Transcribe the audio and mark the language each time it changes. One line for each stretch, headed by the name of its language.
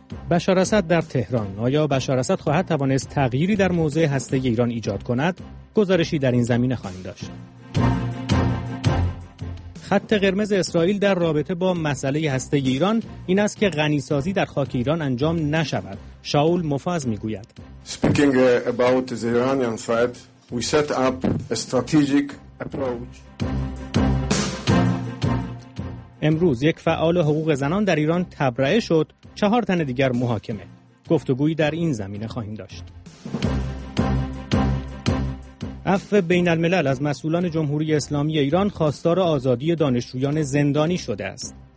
Persian: بشار اسد در تهران. آیا بشار اسد خواهد توانست تغییری در موضع هسته ایران ایجاد کند؟ گزارشی در این زمینه خواهیم داشت. خط قرمز اسرائیل در رابطه با مسئله هسته ایران این است که غنی سازی در خاک ایران انجام نشود. شاول مفاز میگوید.
English: Speaking about the Iranian side, we set up a strategic approach.
Persian: امروز یک فعال حقوق زنان در ایران تبرئه شد، 4 تن دیگر محاکمه. گفتگویی در این زمینه خواهیم داشت. عفو بین الملل از مسئولان جمهوری اسلامی ایران خواستار آزادی دانشجویان زندانی شده است.